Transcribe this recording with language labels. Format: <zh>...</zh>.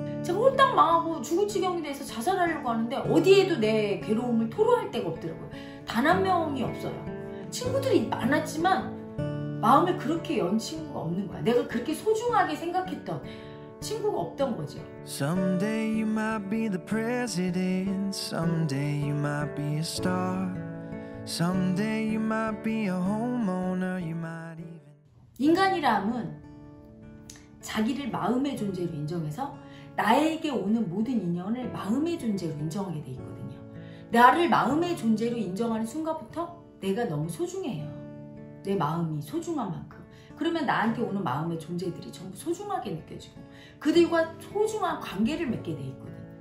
<ko>제가 홀딱 망하고 죽을 지경이 돼서 자살하려고 하는데 어디에도 내 괴로움을 토로할 데가 없더라고요. 단 한 명이 없어요. 친구들이 많았지만 마음을 그렇게 연 친구가 없는 거야. 내가 그렇게 소중하게 생각했던 친구가 없던 거죠.</ko> <en>Someday you might be the president. Someday you might be a star. Someday you might be a homeowner. You might even</en> <ko>인간이라면 자기를 마음의 존재로 인정해서 나에게 오는 모든 인연을 마음의 존재로 인정하게 돼 있거든요. 나를 마음의 존재로 인정하는 순간부터 내가 너무 소중해요. 내 마음이 소중한 만큼. 그러면 나한테 오는 마음의 존재들이 전부 소중하게 느껴지고 그들과 소중한 관계를 맺게 돼 있거든.</ko>